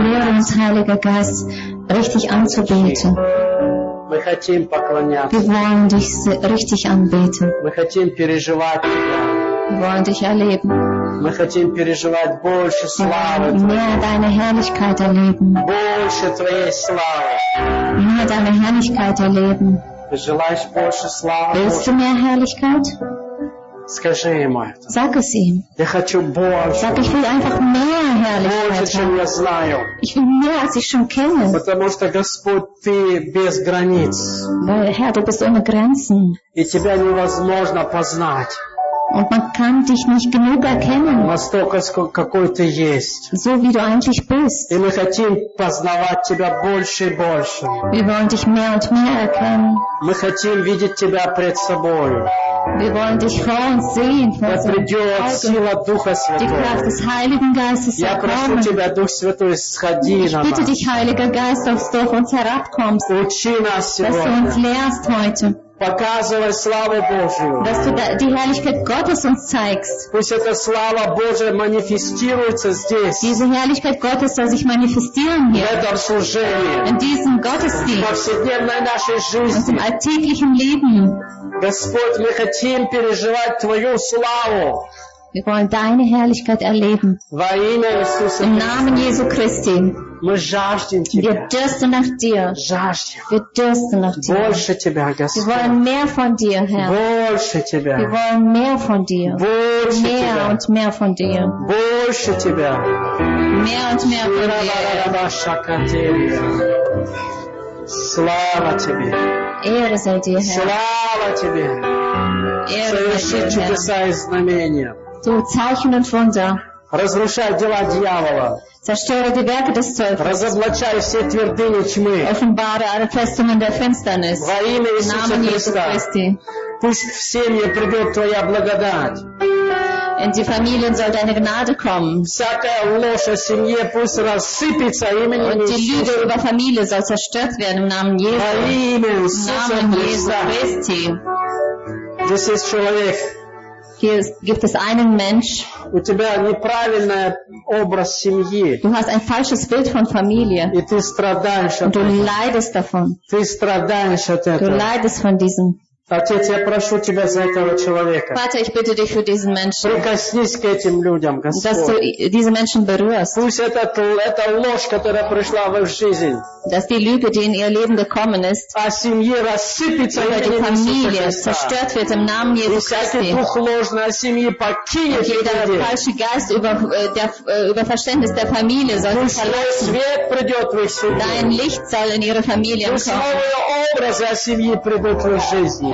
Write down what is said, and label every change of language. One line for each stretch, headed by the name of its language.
German: Lehre uns, Heiliger Geist, richtig anzubeten. Wir wollen dich richtig anbeten. Wir wollen dich erleben.
Russian: Мы хотим переживать больше славы. Мы
German: deine Herrlichkeit erleben.
Russian: Больше твоей славы. Мы
German: deine Herrlichkeit erleben.
Russian: Ты желаешь больше славы.
German: Willst du mehr Herrlichkeit?
Russian: Скажи ему это.
German: Sag es ihm.
Russian: Я хочу больше.
German: Sag, ich will einfach mehr Herrlichkeit.
Russian: Больше, чем я знаю.
German: Ich will mehr, als ich schon kenne.
Russian: Потому что Господь, ты без границ.
German: Weil, Herr, du bist ohne Grenzen.
Russian: И тебя невозможно познать.
German: Und man kann dich nicht genug erkennen, so wie du eigentlich bist. Wir wollen dich mehr und mehr erkennen. Wir wollen dich vor uns sehen. Die Kraft des Heiligen Geistes erkommen. Ich bitte dich, Heiliger Geist, dass du auf uns herabkommst, dass du uns lehrst heute.
Russian: Показывай славу Божию.
German: Dass du die Herrlichkeit Gottes uns zeigst.
Russian: Пусть эта слава Божия манифестируется здесь.
German: Diese Herrlichkeit Gottes soll sich manifestieren hier.
Russian: В этом служении.
German: In diesem Gottesdienst.
Russian: В повседневной нашей жизни.
German: Unserem alltäglichen Leben.
Russian: Господь, мы хотим переживать твою славу.
German: Wir wollen deine Herrlichkeit erleben.
Russian: Во имя Иисуса.
German: Im Namen Jesu Christi.
Russian: Мы жаждем тебя.
German: Wir dürsten nach dir.
Russian: Жаждем.
German: Wir dürsten nach dir.
Russian: Больше тебя, Господь.
German: Wir wollen mehr von dir, Herr.
Russian: Больше тебя.
German: Wir wollen mehr von dir.
Russian: Больше
German: mehr
Russian: тебя.
German: Und mehr von dir.
Russian: Больше тебя.
German: Mehr und mehr von dir.
Russian: Слава тебе.
German: Ehre sei dir, Herr.
Russian: Слава тебе.
German: Ehre sei dir, Herr.
Russian: Совершить чудеса и знамения.
German: Du Zeichen und Wunder.
Russian: Разрушай дела дьявола.
German: Zerstöre die Werke des Teufels.
Russian: Разоблачай все твердыни тьмы.
German: Offenbare alle Festungen der Finsternis.
Russian: Во имя Иисуса Христа. Пусть в семье придет твоя благодать.
German: In die Familien soll deine Gnade kommen.
Russian: Всякая ложь о семье пусть рассыпется именем Иисуса.
German: Und die Lüge über Familie soll zerstört werden im Namen Jesu.
Russian: Во имя Иисуса Христа.
German: Das ist
Russian: человек.
German: Hier gibt es einen Mensch.
Russian: У тебя неправильный образ семьи.
German: Du hast ein falsches Bild von Familie.
Russian: И ты страдаешь от этого.
German: Du leidest davon.
Russian: Ты страдаешь от этого.
German: Du leidest von diesem.
Russian: Отец, я прошу тебя за этого человека.
German: Vater, ich bitte dich für diesen Menschen.
Russian: Прикоснись к этим людям, Господь.
German: Dass du diese Menschen berührst.
Russian: Пусть эта ложь, которая пришла в их жизнь.
German: Dass die Lüge, die in ihr Leben gekommen ist, über die Familie zerstört wird im Namen Jesu Christi. Und jeder falsche Geist über Verständnis der Familie soll sich verlassen. Dein Licht soll in ihre Familie kommen.